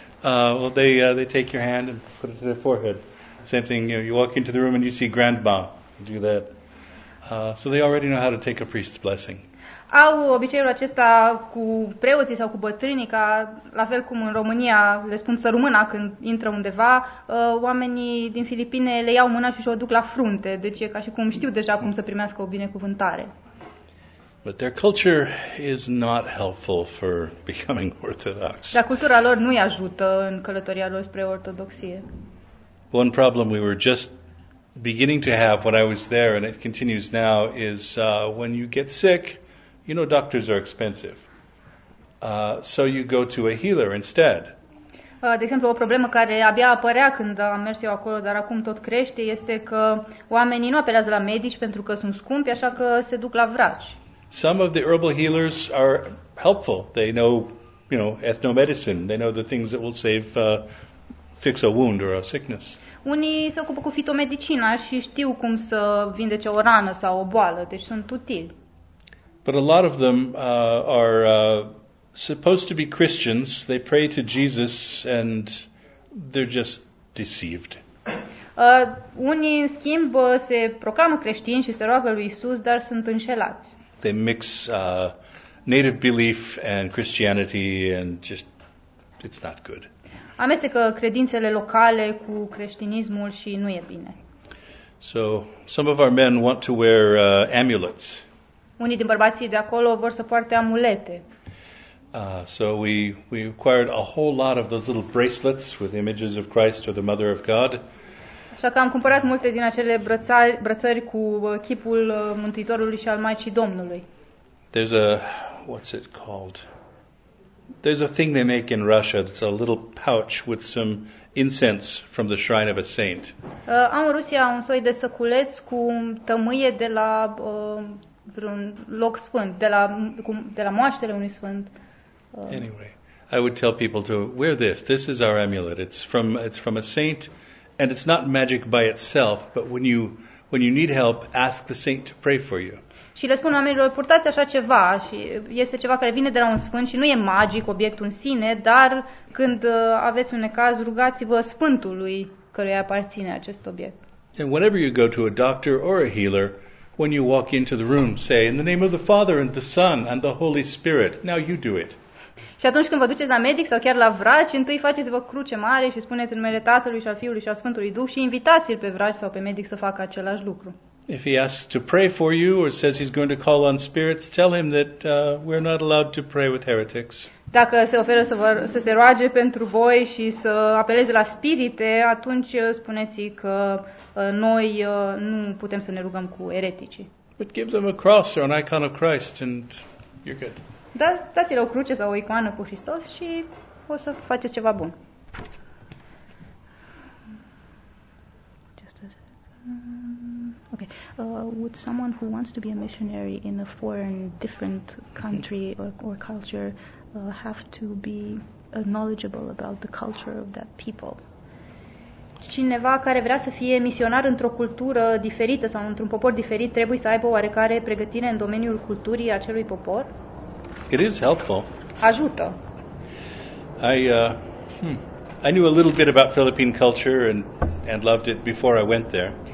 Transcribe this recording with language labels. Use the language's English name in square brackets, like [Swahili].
[English] Well, they take your hand and put it to their forehead. Same thing, you know, you walk into the room and you see grandma, you do that. So they already know how to take a priest's blessing. [Romanian] Au obiceiul acesta cu preoții sau cu bătrânii, ca la fel cum în România le spun sărumâna când intră undeva, oamenii din Filipine le iau mâna și o duc la frunte, deci e ca și cum știu deja cum să primească o binecuvântare. [English] But their culture is not helpful for becoming Orthodox. [Romanian] Dar cultura lor nu-i ajută în călătoria lor spre ortodoxie. [English] One problem we were just beginning to have when I was there, and it continues now, is when you get sick, you know, doctors are expensive. So you go to a healer instead. [Romanian] De exemplu, o problemă care abia apărea când am mers eu acolo, dar acum tot crește, este că oamenii nu apelează la medici pentru că sunt scumpi, așa că se duc la vraci. [English] Some of the herbal healers are helpful. They know, you know, ethnomedicine. They know the things that will save, fix a wound or a sickness. [Romanian] Unii se ocupă cu fitomedicina și știu cum să vindece o rană sau o boală, deci sunt utili. [English] But a lot of them are supposed to be Christians. They pray to Jesus and they're just deceived. [Romanian] Unii, în schimb, se proclamă creștini și se roagă lui Isus, dar sunt înșelați. [English] They mix native belief and Christianity and just, it's not good. [Romanian] Amestecă credințele locale cu creștinismul și nu e bine. [English] So, some of our men want to wear amulets. [Romanian] Unii din bărbații de acolo vor să poarte amulete. [English] So we acquired a whole lot of those little bracelets with images of Christ or the Mother of God. [Romanian] Așa că am cumpărat multe din acele brățări cu chipul Mântuitorului și al Maicii Domnului. [English] There's a, what's it called? There's a thing they make in Russia. It's a little pouch with some incense from the shrine of a saint. [Romanian] Am în Rusia un soi de săculeț cu tămâie de la vreun loc sfânt, de la moaștele unui sfânt. [English] Anyway, I would tell people to wear this. This is our amulet. It's from a saint. And it's not magic by itself, but when you need help, ask the saint to pray for you. [Romanian] Și le spun oamenilor, purtați așa ceva și este ceva care vine de la un sfânt și nu e magic obiectul în sine, dar când aveți un necaz, rugați-vă sfântului căruia aparține acest obiect. [English] And whenever you go to a doctor or a healer, when you walk into the room, say, in the name of the Father and the Son and the Holy Spirit, now you do it. [Romanian] Și atunci când vă duceți la medic sau chiar la vraci, întâi faceți-vă cruce mare și spuneți în numele Tatălui și al Fiului și al Sfântului Duh și invitați-l pe vraci sau pe medic să facă același lucru. [English] If he asks to pray for you or says he's going to call on spirits, tell him that we're not allowed to pray with heretics. [Romanian] Dacă se oferă să se roage pentru voi și să apeleze la spirite, atunci spuneți că noi nu putem să ne rugăm cu eretici. [English] But give them a cross or an icon of Christ and you're good. [Romanian] Da, dați-le o cruce sau o icoană cu Hristos și o să faceți ceva bun. [English] Okay. Would someone who wants to be a missionary in a foreign, different country or culture have to be knowledgeable about the culture of that people? [Romanian] Cineva care vrea să fie misionar într-o cultură diferită sau într-un popor diferit trebuie să aibă oarecare pregătire în domeniul culturii acelui popor? [English] It is helpful. [Romanian] Ajută. [English] I knew a little bit about Philippine culture and loved it before I went there.